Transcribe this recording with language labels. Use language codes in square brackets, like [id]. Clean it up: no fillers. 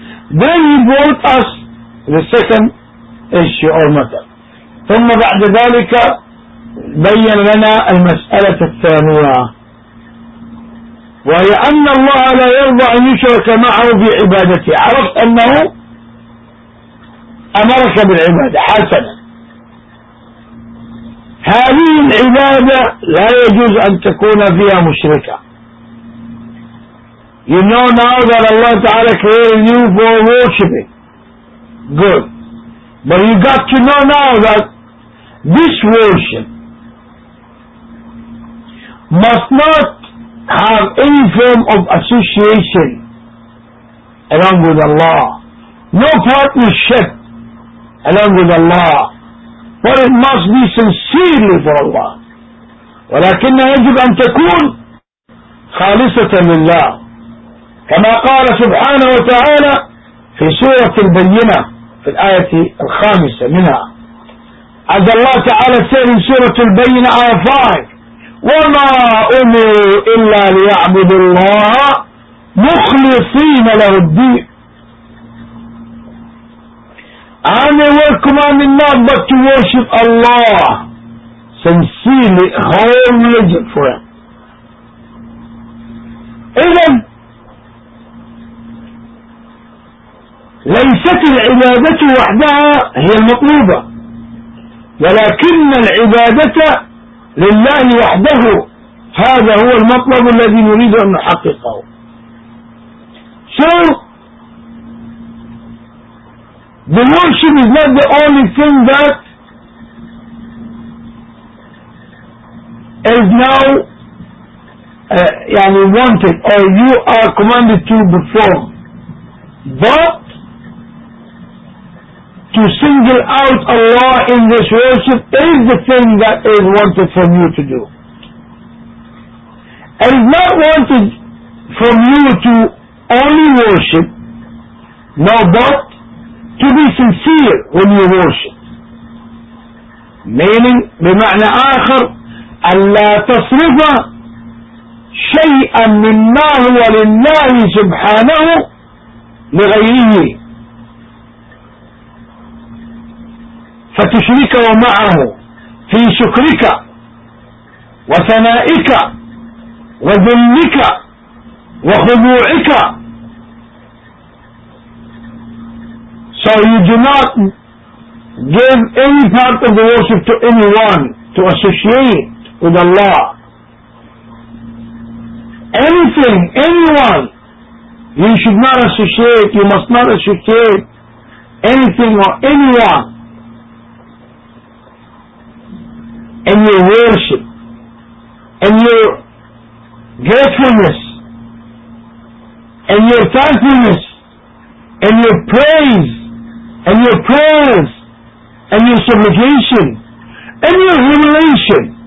[en] Then He brought us the second issue or matter. [ar] ثم بعد ذلك بين لنا المسألة الثانية وهي أن الله لا يرضى أن يشرك معه في عبادته. عرفت أنه أمرك بالعبادة حسنا، هذه العبادة لا يجوز أن تكون فيها مشركة. [en] You know now that Allah Ta'ala created you for worshiping. Good. But you got to know now that this worship must not have any form of association along with Allah. No partnership along with Allah. But it must be sincerely for Allah. [ar] ولكن يجب أن تكون خالصة لله. كما قال سبحانه وتعالى في سورة البينة في الآية الخامسة منها. [en] As Allah Ta'ala said in Surah Al-Bayna, ayah 5, [ar] وَمَا أُمِرُوا إِلَّا لِيَعْبُدُ اللَّهَ مُخْلِصِينَ لَهُ الدِّينَ. [en] And they were commanded not but to worship Allah sincerely, whole religion for Him. [ar] إذن ليست العبادة وحدها هي المطلوبة، ولكن العبادة لله وحده هذا هو المطلب الذي نريد أن نحققه. [en] So the worship is not the only thing that is now [ar] يعني [en] wanted or you are commanded to perform, but to single out Allah in this worship is the thing that is wanted from you to do. And it's not wanted from you to only worship, no, but to be sincere when you worship. Meaning, [ar] بمعنى آخر ألا تصرف شيئا مما هو لله سبحانه لغيره فتشرك ومعه في شكرك وثنائك وذلك وخضوعك. [en] So you do not give any part of the worship to anyone to associate with Allah. Anything, anyone, you should not associate, you must not associate anything or anyone in your worship, in your gratefulness, in your thankfulness, in your praise, in your prayers, in your supplication, in your humiliation.